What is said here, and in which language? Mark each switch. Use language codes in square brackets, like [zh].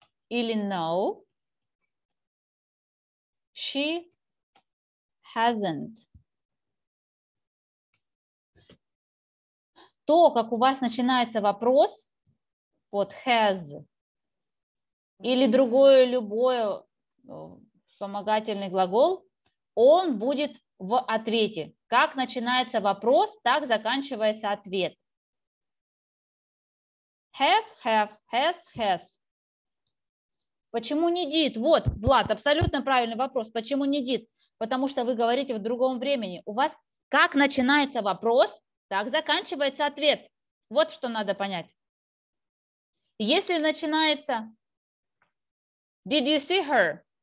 [ru] Или [en] no, she hasn't. [ru] То, как у вас начинается вопрос, вот has, или другое любое вспомогательный глагол, он будет в ответе. Как начинается вопрос, так заканчивается ответ. Have, has. Почему не did? Вот, Влад, абсолютно правильный вопрос. Почему не did? Потому что вы говорите в другом времени. У вас как начинается вопрос, так заканчивается ответ. Вот что надо понять. Если начинается [en] did you see her?